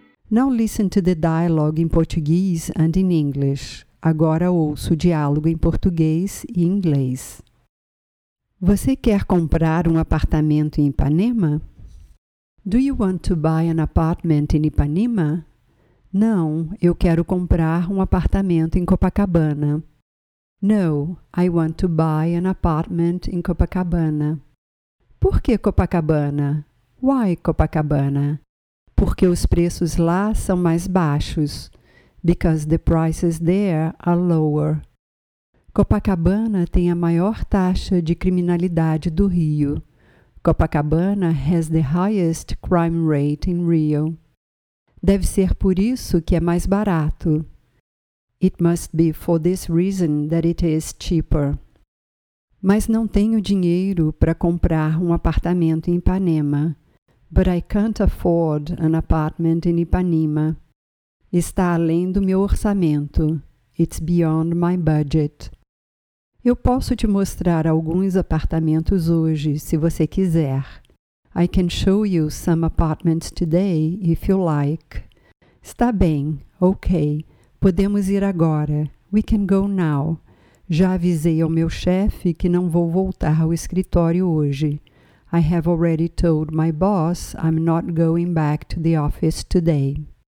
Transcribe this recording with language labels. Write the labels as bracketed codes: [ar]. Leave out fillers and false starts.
[en] Now listen to the dialogue in Portuguese and in English. [pt] Agora ouço o diálogo em português e inglês. Você quer comprar um apartamento em Ipanema? [en] Do you want to buy an apartment in Ipanema? [pt] Não, eu quero comprar um apartamento em Copacabana. [en] No, I want to buy an apartment in Copacabana. [pt] Por que Copacabana? [en] Why Copacabana? [pt] Porque os preços lá são mais baixos. [en] Because the prices there are lower. [pt] Copacabana tem a maior taxa de criminalidade do Rio. [en] Copacabana has the highest crime rate in Rio. [pt] Deve ser por isso que é mais barato. [en] It must be for this reason that it is cheaper. [pt] Mas não tenho dinheiro para comprar um apartamento em Ipanema. [en] But I can't afford an apartment in Ipanema. [pt] Está além do meu orçamento. [en] It's beyond my budget. [pt] Eu posso te mostrar alguns apartamentos hoje, se você quiser. [en] I can show you some apartments today, if you like. [pt] Está bem, ok. Podemos ir agora. [en] We can go now. [pt] Já avisei ao meu chefe que não vou voltar ao escritório hoje. [en] I have already told my boss I'm not going back to the office today.